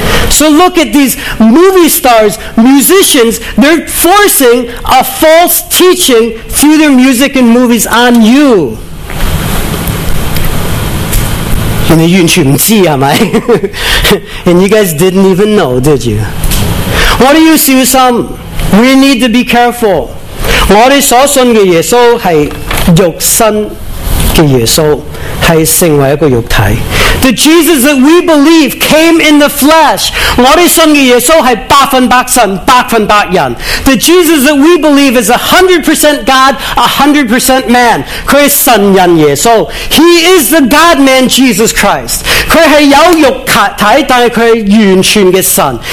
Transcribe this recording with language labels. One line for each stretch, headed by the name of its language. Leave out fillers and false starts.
English: So look at these movie stars, musicians, they're forcing a false teaching through their music and movies on you.
Chinese: 你的运气不记啊吗?
English: And you guys didn't even know, did you? What do you see, Sam? We need to be careful.
Chinese: 我们所信的耶稣是肉身的耶稣，是成为一个肉体。
English: The Jesus that we believe came in the flesh.
Chinese: 我们信的耶稣是百分百神，百分百人。
English: The Jesus that we believe is 100% God, 100% man.
Chinese: 他是神人耶稣。
English: He is the God-man Jesus Christ.
Chinese: 他是有肉体，但是他是完全的神。